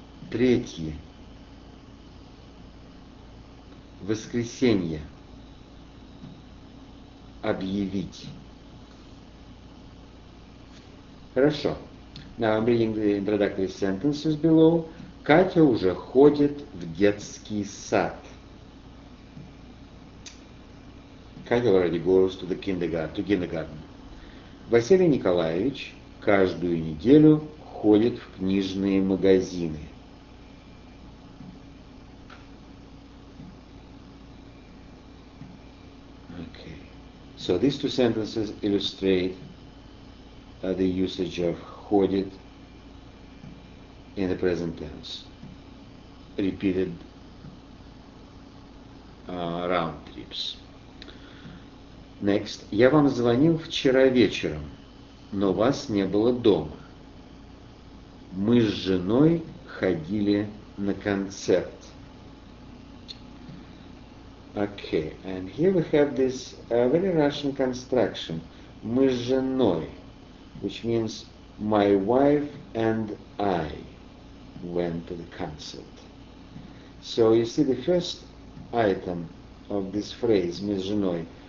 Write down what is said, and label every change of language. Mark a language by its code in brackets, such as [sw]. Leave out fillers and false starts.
[ru] Третье. Воскресенье. Объявить. Хорошо. [en] Now I'm reading the introductory sentences below. [ru] Катя уже ходит в детский сад. [en] Катя already goes to the kindergarten. [ru] Василий Николаевич каждую неделю ходит в книжные магазины. [en] Okay. So these two sentences illustrate the usage of ходит in the present tense. Repeated round trips. Next. [ru] Я вам звонил вчера вечером, но вас не было дома. Мы с женой ходили на концерт. [en] Okay. And here we have this very Russian construction. [ru] Мы с женой. [en] Which means my wife and I went to the concert. So you see the first item of this phrase, [ru] мы с женой,